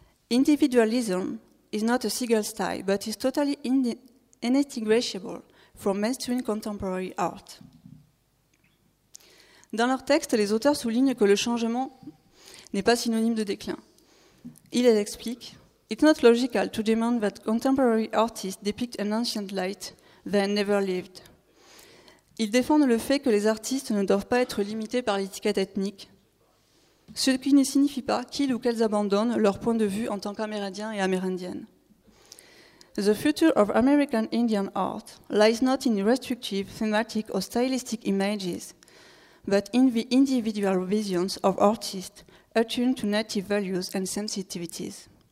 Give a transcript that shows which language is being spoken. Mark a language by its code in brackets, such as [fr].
[en] Individualism is not a single style, but is totally inextinguishable from mainstream contemporary art. [fr] Dans leur texte, les auteurs soulignent que le changement n'est pas synonyme de déclin. Ils expliquent, [en] it's not logical to demand that contemporary artists depict an ancient light that never lived. [fr] Ils défendent le fait que les artistes ne doivent pas être limités par l'étiquette ethnique, ce qui ne signifie pas qu'ils ou qu'elles abandonnent leur point de vue en tant qu'Amérindiens et Amérindiennes. [en] The future of American Indian art lies not in restrictive, thematic or stylistic images, but in the individual visions of artists attuned to native values and sensitivities.